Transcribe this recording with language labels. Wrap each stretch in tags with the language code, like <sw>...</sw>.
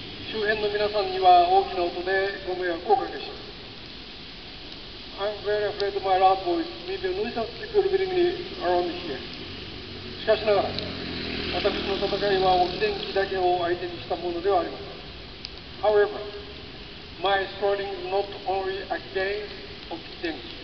<ja>周辺の皆さんには大きな音でご迷惑をおかけします。</ja> <en>I'm very afraid my loud voice may be a nuisance to people living around here.</en> <ja>しかしながら、私の戦いは沖電機だけを相手にしたものではありません。</ja> <en>However, my struggling is not only against 沖電機。</en>